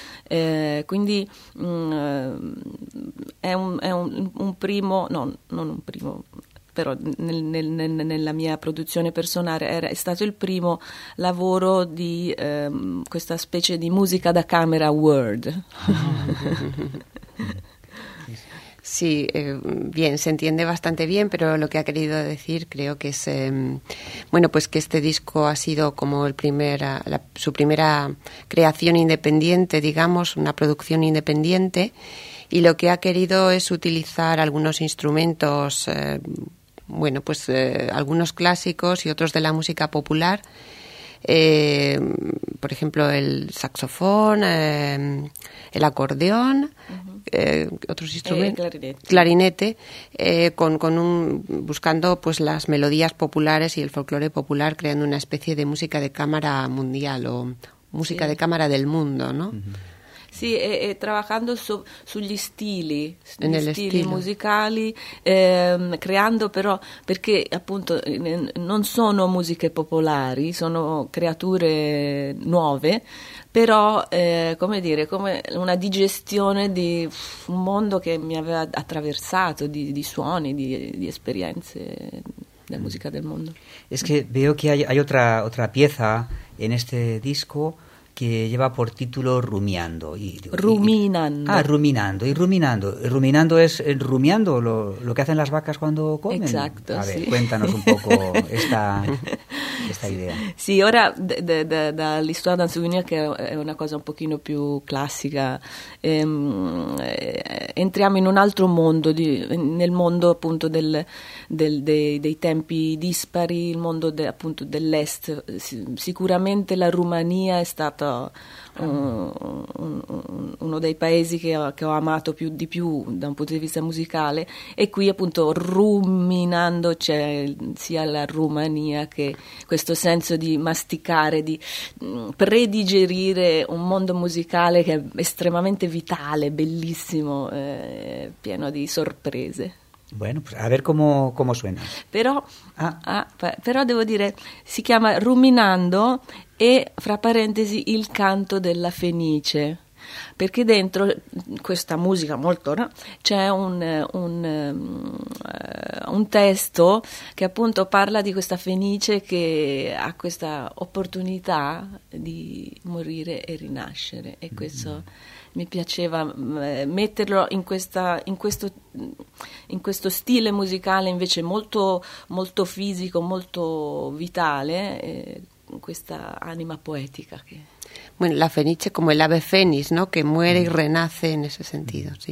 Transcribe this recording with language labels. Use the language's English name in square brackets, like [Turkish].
[Italian] Quindi nella mia produzione personale è stato il primo lavoro di questa specie di musica da camera world. [Spanish] Sí, bien, se entiende bastante bien, pero lo que ha querido decir creo que es, bueno, pues que este disco ha sido como su primera creación independiente, digamos, una producción independiente, y lo que ha querido es utilizar algunos instrumentos, bueno, pues algunos clásicos y otros de la música popular, por ejemplo, el saxofón, el acordeón, otros instrumentos, clarinete, buscando pues las melodías populares y el folclore popular, creando una especie de música de cámara mundial o música de cámara del mundo, ¿no? Sí, trabajando [Italian] sugli stili, musicali, creando però, perché appunto non sono musiche popolari, sono creature nuove, però come dire, come una digestione di un mondo che mi aveva attraversato di suoni, di esperienze della musica del mondo. [Spanish] Es que veo que hay otra pieza en este disco que lleva por título Rumiando. [Italian] Ruminando [Spanish] es rumiando lo que hacen las vacas cuando comen. Exacto. A ver, sí. Cuéntanos un poco esta idea. [Italian] Sí, ora dall'Histoire d'un souvenir, che è una cosa un pochino più classica, entriamo in un altro mondo, nel mondo appunto dei tempi dispari, il mondo appunto dell'est. Sicuramente la Romania è stata uno dei paesi che ho amato più di più da un punto di vista musicale, e qui appunto ruminando c'è sia la Romania che questo senso di masticare, di predigerire un mondo musicale che è estremamente vitale, bellissimo, pieno di sorprese. [Spanish] Bueno, pues a ver cómo suena. [Italian] Però devo dire, si chiama Ruminando e fra parentesi il canto della Fenice, perché dentro questa musica molto, no? C'è un testo che appunto parla di questa Fenice che ha questa opportunità di morire e rinascere, e questo mi piaceva metterlo in questo stile musicale invece molto, molto fisico, molto vitale, questa anima poetica. [Spanish] Bueno, la Fenice come el ave fénix, ¿no? Que muere y renace en ese sentido, sí.